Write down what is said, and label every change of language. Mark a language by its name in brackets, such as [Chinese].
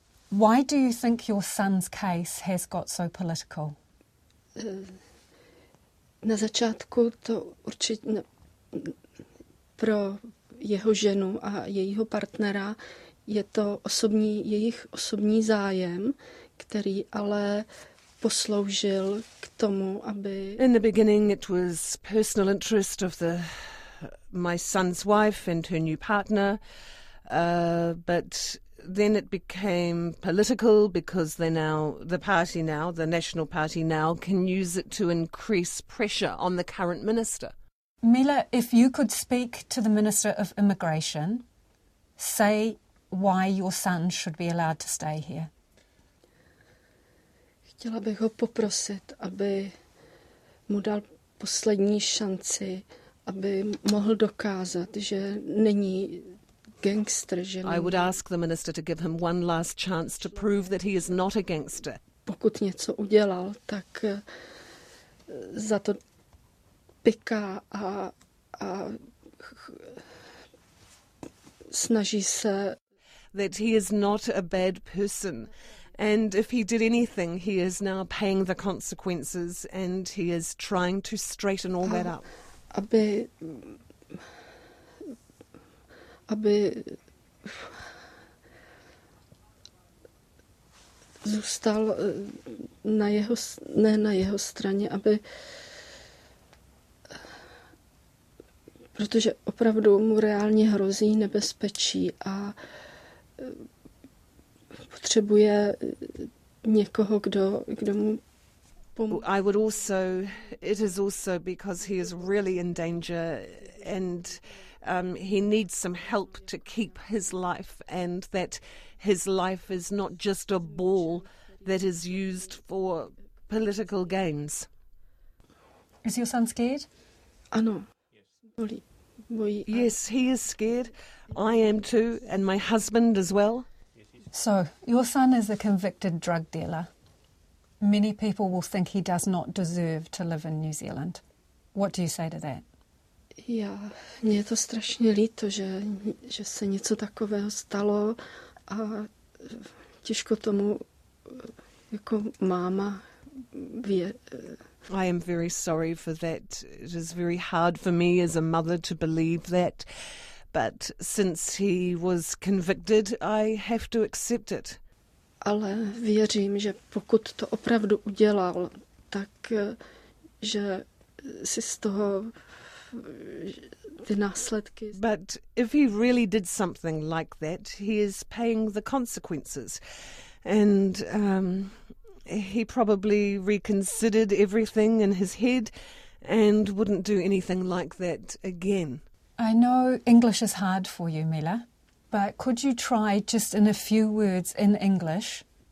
[English] Why do you think your son's case has got so political? [Czech] Na začátku to určitě pro jeho ženu a jejího partnera je to osobní, jejich osobní zájem, který ale posloužil k tomu, aby. [English] In the beginning it was personal interest of the my son's wife and her new partner, but then it became political because the National Party now can use it to increase pressure on the current minister. Mela, if you could speak to the Minister of Immigration, say why your son should be allowed to stay here. [Czech] Chtěla bych ho poprosit, aby mu dal poslední šanci, aby mohl dokázat, že není gangster. Že není. [English] I would ask the minister to give him one last chance to prove that he is not a gangster. [Czech] Pokud něco udělal, tak za to piká a snaží se. [English] That he is not a bad person. And if he did anything, he is now paying the consequences and he is trying to straighten all that up. [Czech] Aby zůstal na jeho, ne na jeho straně, aby, protože opravdu mu reálně hrozí nebezpečí a potřebuje někoho, kdo mu. [English] I would also, it is also because he is really in danger and he needs some help to keep his life and that his life is not just a ball that is used for political gains. Is your son scared? [Czech] Ano. [English] Yes, he is scared. I am too, and my husband as well. So, your son is a convicted drug dealer. Many people will think he does not deserve to live in New Zealand. What do you say to that? [Czech] Já, mně je to strašně líto, že se něco takového stalo a těžko tomu jako máma vě. [English] I am very sorry for that. It is very hard for me as a mother to believe that. But since he was convicted, I have to accept it. [Czech] Ale věřím, že pokud to opravdu udělal, tak že si z toho ty následky. [English] But if he really did something like that, he is paying the consequences. And he probably reconsidered everything in his head and wouldn't do anything like that again. I know English is hard for you, Mela. But could you try just in a few words in English